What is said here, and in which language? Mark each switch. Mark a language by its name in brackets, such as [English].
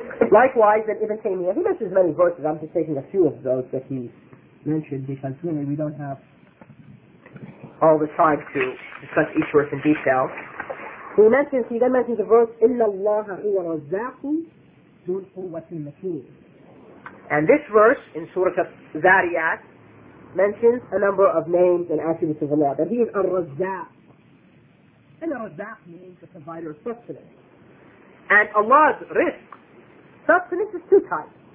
[English] Likewise, that Ibn Taymiyyah, he mentions many verses, I'm just taking a few of those that he mentioned, because really we don't have all the time to discuss each verse in detail. He then mentions the verse, [Arabic] إِلَّا اللَّهَ هُوَ رَزَّاقٌ ذُو الْقُوَّةِ الْمَتِينَ. [English] And this verse in Surah Zariyat mentions a number of names and attributes of Allah, that He is al-Razzaq. And al-Razzaq means the provider of sustenance. And Allah's risk, sustenance is two types.